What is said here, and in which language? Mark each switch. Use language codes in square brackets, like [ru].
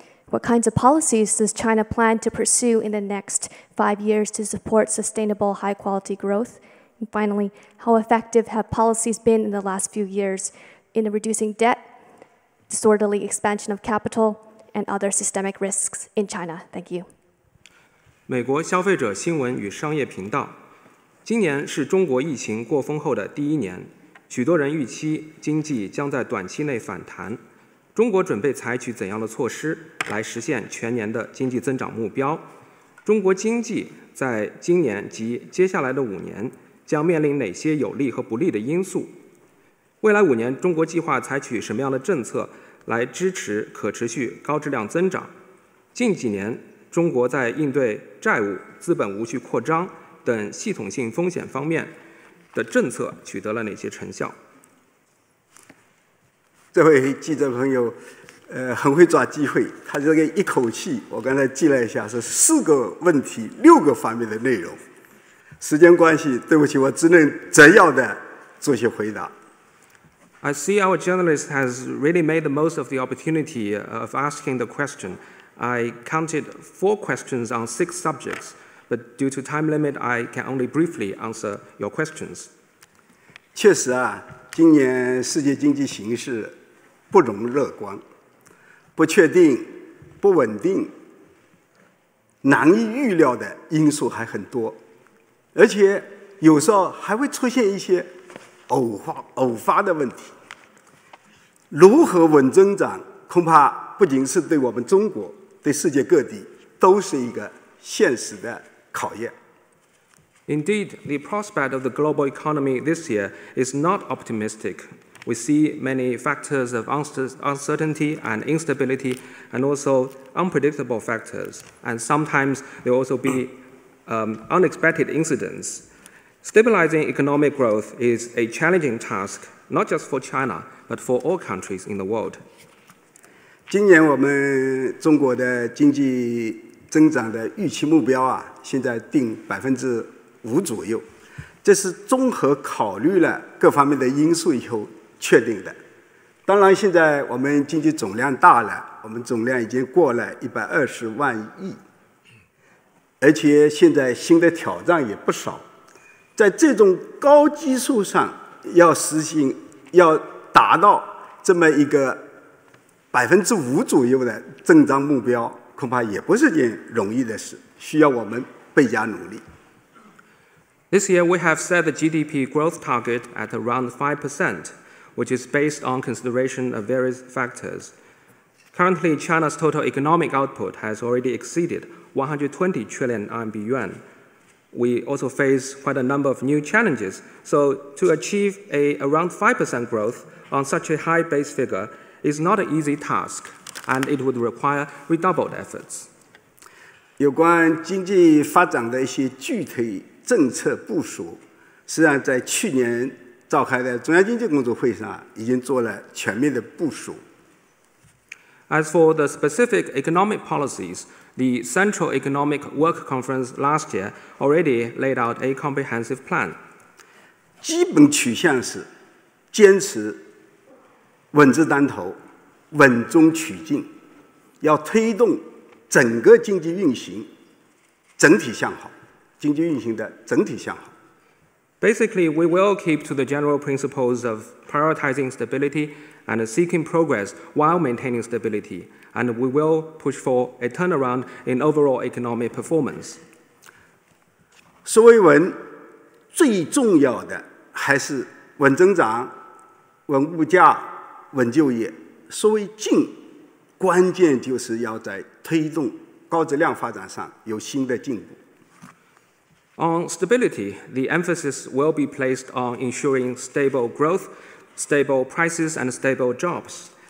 [en] What kinds of policies does China plan to pursue in the next 5 years to support sustainable high-quality growth? And finally, how effective have policies been in the last few years in reducing debt? Disorderly expansion of capital and other systemic risks in China. Thank you. [zh] 美国消费者新闻与商业频道，今年是中国疫情过封后的第一年，许多人预期经济将在短期内反弹。中国准备采取怎样的措施来实现全年的经济增长目标？中国经济在今年及接下来的五年将面临哪些有利和不利的因素？未来五年，中国计划采取什么样的政策来支持可持续高质量增长？近几年，中国在应对债务、资本无序扩张等系统性风险方面的政策取得了哪些成效？这位记者朋友，很会抓机会。他这个一口气，我刚才记了一下，是四个问题，六个方面的内容。时间关系，对不起，我只能摘要的做些回答。 [en] I see our journalist has really made the most of the opportunity of asking the question. I counted four questions on six subjects, but due to time limit, I can only briefly answer your questions. [zh] 确实啊，今年世界经济形势不容乐观，不确定、不稳定、难以预料的因素还很多，而且有时候还会出现一些偶发的问题。如何稳增长，恐怕不仅是对我们中国，对世界各地都是一个现实的考验。 [en] Indeed, the prospect of the global economy this year is not optimistic. We see many factors of uncertainty and instability, and also unpredictable factors. And sometimes there will also be unexpected incidents. Stabilizing economic growth is a challenging task, not just for China, but for all countries in the world. [zh] 今年我们中国的经济增长的预期目标啊，现在定5%左右，这是综合考虑了各方面的因素以后确定的。当然，现在我们经济总量大了，我们总量已经过了120万亿，而且现在新的挑战也不少。在这种高基数上，要实行，要达到这么一个5%左右的增长目标，恐怕也不是件容易的事，需要我们倍加努力。 [en] This year, we have set the GDP growth target at around 5%, which is based on consideration of various factors. Currently, China's total economic output has already exceeded 120 trillion RMB yuan. We also face quite a number of new challenges. So to achieve around 5% growth on such a high base figure is not an easy task, and it would require redoubled efforts. [zh] 有关经济发展的一些具体政策部署，实际上在去年召开的中央经济工作会上已经做了全面的部署。 [en] As for the specific economic policies, the Central Economic Work Conference last year already laid out a comprehensive plan. [zh] 基本取向是坚持稳字当头，稳中取进，要推动整个经济运行整体向好。经济运行的整体向好。 [en] Basically, we will keep to the general principles of prioritizing stability and seeking progress while maintaining stability, and we will push for a turnaround in overall economic performance. [zh] 说回稳，最重要的还是稳增长、稳物价、稳就业。说回进，关键就是要在推动高质量发展上有新的进步。 [en] On stability, the emphasis will be placed on ensuring stable growth, stable prices, and stable jobs.